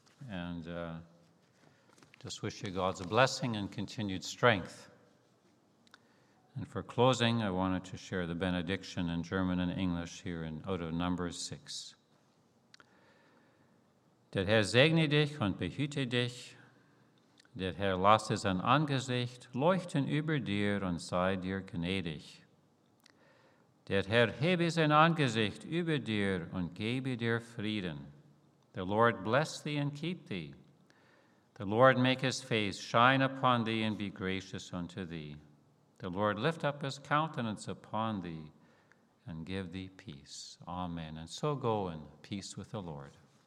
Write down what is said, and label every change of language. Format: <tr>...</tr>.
<en>And just wish you God's blessing and continued strength. And for closing, I wanted to share the benediction in German and English here in out of Numbers 6.</en> <de>Der Herr segne dich und behüte dich. Der Herr lasse sein Angesicht leuchten über dir und sei dir gnädig. Der Herr hebe sein Angesicht über dir und gebe dir Frieden.</de> <en>The Lord bless thee and keep thee. The Lord make his face shine upon thee and be gracious unto thee. The Lord lift up his countenance upon thee and give thee peace. Amen. And so go in peace with the Lord.</en>